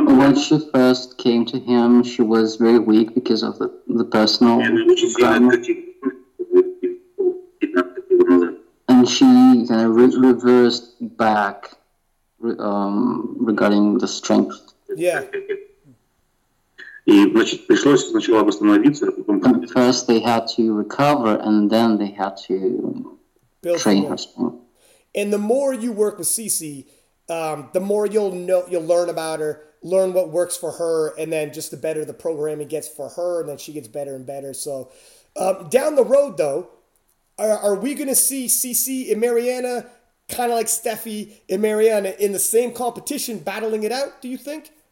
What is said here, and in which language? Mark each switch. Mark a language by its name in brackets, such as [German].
[English] When she first came to him, she was very weak because of the personal drama. And she kind of reversed back regarding the strength. Yeah. [Russian] И, значит, пришлось сначала восстановиться, а потом... [English] And first they had to recover, and then they had to build train her strength. And the more you work with Cece, the more you'll learn about her, learn what works for her, and then just the better the programming gets for her, and then she gets better and better. So down the road, though, are we going to see Cece and Mariana, kind of like Steffi and Mariana, in the same competition, battling it out, do you think?